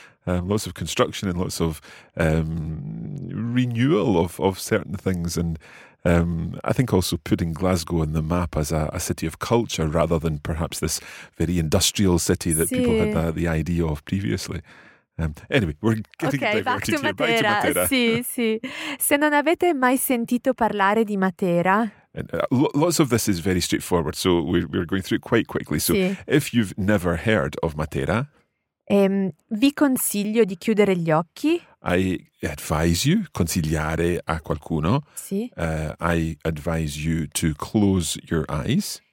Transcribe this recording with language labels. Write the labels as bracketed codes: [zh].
[en] Lots of construction and lots of renewal of certain things. And I think also putting Glasgow on the map as a city of culture rather than perhaps this very industrial city that people had the idea of previously. Anyway, we're getting diverted back to Matera. Here. Back to Matera. [it] Sì, sì. Se non avete mai sentito parlare di Matera... [en] And lots of this is very straightforward, so we're going through it quite quickly. So, [it] sì. [en] If you've never heard of Matera, [it] vi consiglio di chiudere gli occhi. [en] I advise you, [it] consigliare a qualcuno. Sì. [en] I advise you to close your eyes.